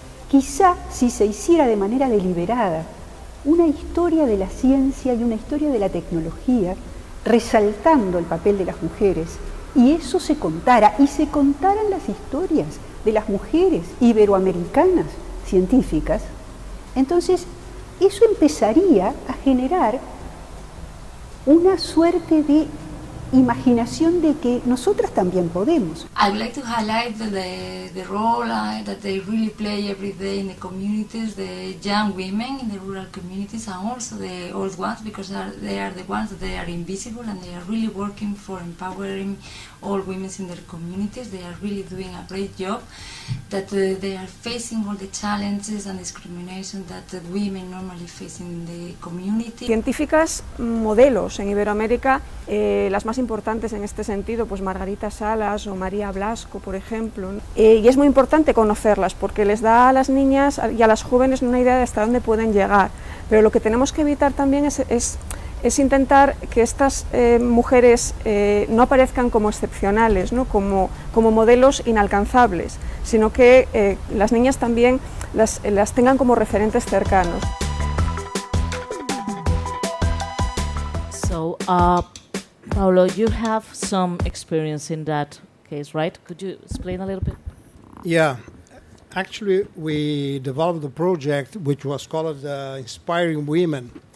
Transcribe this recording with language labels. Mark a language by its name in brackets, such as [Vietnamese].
[Spanish] Quizá si se hiciera de manera deliberada una historia de la ciencia y una historia de la tecnología, resaltando el papel de las mujeres, y eso se contara, y se contaran las historias de las mujeres iberoamericanas científicas, entonces eso empezaría a generar una suerte de imaginación de que nosotras también podemos. [English] I'd like to highlight the role that they really play every day in the communities, the young women in the rural communities and also the old ones, because they are the ones that they are invisible and they are really working for empowering all women in their communities. They are really doing a great job, that they are facing all the challenges and discrimination that women normally face in the community. [Spanish] Científicas modelos en Iberoamérica, las más importantes en este sentido, pues Margarita Salas o María Blasco, por ejemplo. Y es muy importante conocerlas porque les da a las niñas y a las jóvenes una idea de hasta dónde pueden llegar. Pero lo que tenemos que evitar también es intentar que estas mujeres no aparezcan como excepcionales, ¿no? como modelos inalcanzables, sino que las niñas también las tengan como referentes cercanos. [English] So, Paulo, you have some experience in that case, right? Could you explain a little bit? Yeah. Actually, we developed a project which was called Inspiring Women.